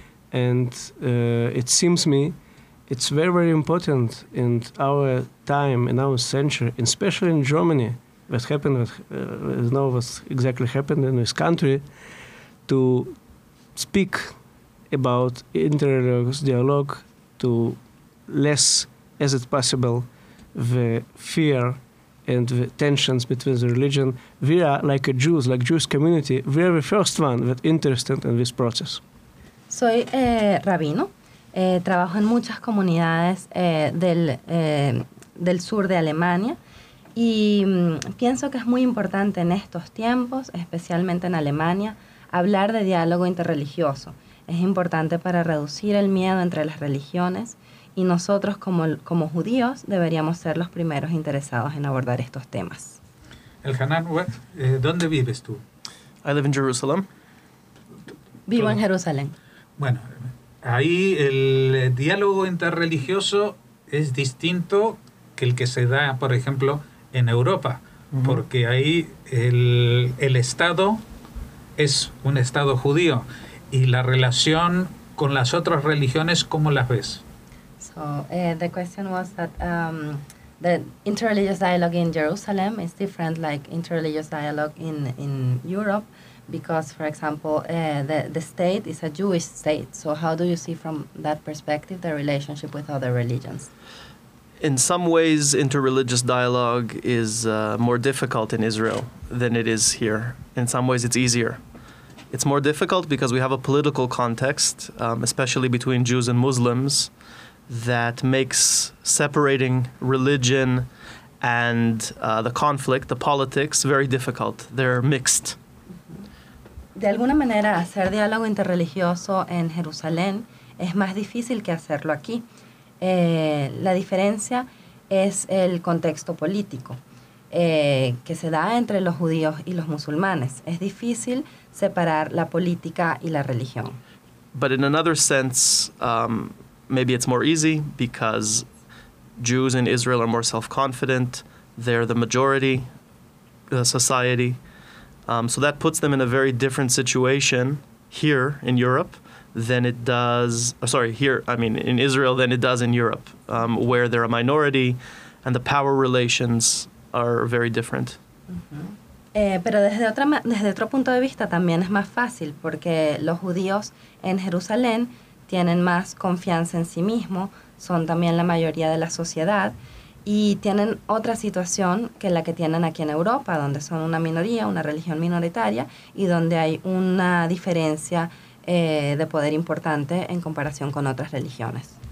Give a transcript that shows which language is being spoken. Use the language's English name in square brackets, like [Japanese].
[English] And it seems me it's very, very important in our time, in our century, especially in Germany, what happened, what exactly happened in this country, to speak about interreligious dialogue to less as it possible the fear and the tensions between the religion. We are like a Jews, like Jewish community, we are the first one that interested in this process. [Spanish] Soy rabino, trabajo en muchas comunidades del sur de Alemania y pienso que es muy importante en estos tiempos, especialmente en Alemania, hablar de diálogo interreligioso. Es importante para reducir el miedo entre las religiones. Y nosotros, como judíos, deberíamos ser los primeros interesados en abordar estos temas. El Hanan, ¿dónde vives tú? [English] I live in Jerusalem. [Spanish] Vivo en Jerusalén. Bueno, ahí el diálogo interreligioso es distinto que el que se da, por ejemplo, en Europa. Mm-hmm. Porque ahí el Estado es un Estado judío. Y la relación con las otras religiones, ¿cómo las ves? [English] So the question was that the interreligious dialogue in Jerusalem is different like interreligious dialogue in Europe because, for example, the state is a Jewish state. So how do you see from that perspective the relationship with other religions? In some ways, interreligious dialogue is more difficult in Israel than it is here. In some ways, it's easier. It's more difficult because we have a political context, especially between Jews and Muslims, that makes separating religion and the conflict, the politics, very difficult. They're mixed. [Spanish] De alguna manera, hacer diálogo interreligioso en Jerusalén es más difícil que hacerlo aquí. La diferencia es el contexto político que se da entre los judíos y los musulmanes. Es difícil separar la política y la religión. [English] But in another sense, maybe it's more easy because Jews in Israel are more self-confident. They're the majority society. So that puts them in a very different situation here in Europe than it does, in Israel than it does in Europe, where they're a minority and the power relations are very different. Mm-hmm. [Spanish] Pero desde otro punto de vista también es más fácil porque los judíos en Jerusalén tienen más confianza en sí mismo, son también la mayoría de la sociedad y tienen otra situación que la que tienen aquí en Europa, donde son una minoría, una religión minoritaria, y donde hay una diferencia de poder importante en comparación con otras religiones.